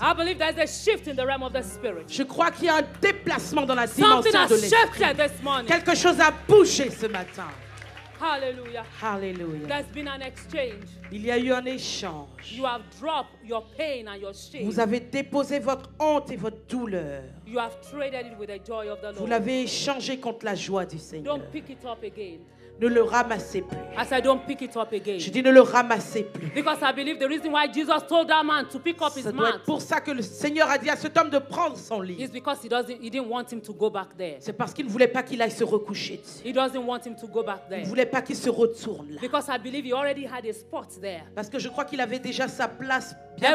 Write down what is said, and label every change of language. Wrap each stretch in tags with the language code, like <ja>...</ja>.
<en>I believe there's a shift in the realm of the spirit.</en> <fr>Je crois qu'il y a un déplacement dans la dimension de l'esprit.</fr> <en>Something has shifted this morning.</en> <fr>Quelque chose a bougé ce matin.</fr> <en>Hallelujah.</en> <fr>Hallelujah.</fr> <en>There's been an exchange.</en> <fr>Il y a eu un échange.</fr> <en>You have dropped your pain and your shame.</en> <fr>Vous avez déposé votre honte et votre douleur.</fr> <en>You have traded it with the joy of the Lord.</en> <fr>Vous l'avez échangé contre la joie du Seigneur.</fr> <en>Don't pick it up again.</en> <fr>Ne le ramassez plus.</fr> <en>As I don't pick it up again.</en> <fr>Je dis ne le ramassez plus.</fr> <en>Because I believe the reason why Jesus told that man to pick up his mat.</en> <fr>C'est pour ça que le Seigneur a dit à cet homme de prendre son lit.</fr> <en>It's because he didn't want him to go back there.</en> <fr>C'est parce qu'il ne voulait pas qu'il aille se recoucher.</fr> <en>He doesn't want him to go back there.</en> <fr>Il ne voulait pas qu'il se retourne là.</fr> <en>Because I believe he already had a spot there.</en> <fr>Parce que je crois qu'il avait déjà sa place bien</fr>